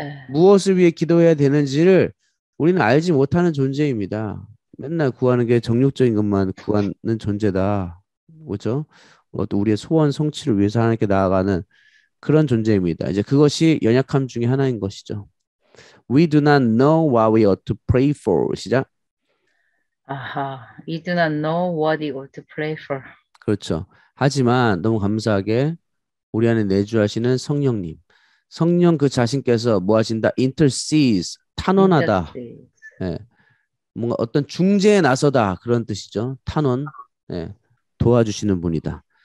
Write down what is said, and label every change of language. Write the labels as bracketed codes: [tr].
[ko] 무엇을 위해 기도해야 되는지를 우리는 알지 못하는 존재입니다. 맨날 구하는 게 정욕적인 것만 구하는 존재다. 그렇죠? 또 우리의 소원 성취를 위해서 하나님께 나아가는 그런 존재입니다. 이제 그것이 연약함 중에 하나인 것이죠. [en] We do not know what we ought to pray for. [ko] 시작. [en] 아하, we do not know what we ought to pray for. [ko] 그렇죠. 하지만 너무 감사하게 우리 안에 내주하시는 성령님, 성령 그 자신께서 뭐 하신다? [en] intercedes, [ko] 탄원하다. [en] 인터스트리. [ko] 예. 뭔가 어떤 중재에 나서다. 그런 뜻이죠. 탄원, 예. 도와주시는 분이다.